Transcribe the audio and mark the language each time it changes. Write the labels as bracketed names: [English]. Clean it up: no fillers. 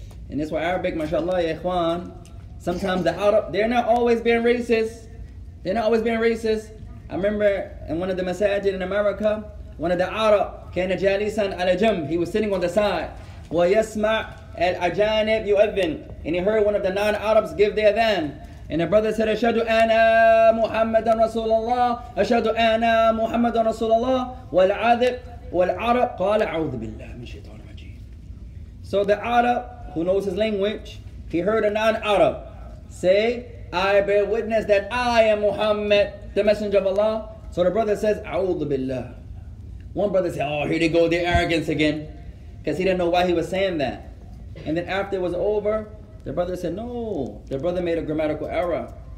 [English] And this is why Arabic, mashallah, ya ikhwan, sometimes the Arab, they're not always being racist. I remember in one of the masajid in America, one of the Arab, [Arabic] كان جالساً على جنب, [English] he was sitting on the side. [Arabic] ويسمع الأجانب يؤذن. [English] And he heard one of the non-Arabs give the adhan. And the brother said, [Arabic] أشهد أنا محمد رسول الله, أشهد أنا محمد رسول الله, والعذب والعرب قال أعوذ بالله من الشيطان الرجيم. [English] So the Arab, who knows his language, he heard a non-Arab say, I bear witness that I am Muhammad, the messenger of Allah. So the brother says, A'udhu Billah. One brother said, oh, here they go, the arrogance again. Because he didn't know why he was saying that. And then after it was over, the brother said, no, the brother made a grammatical error.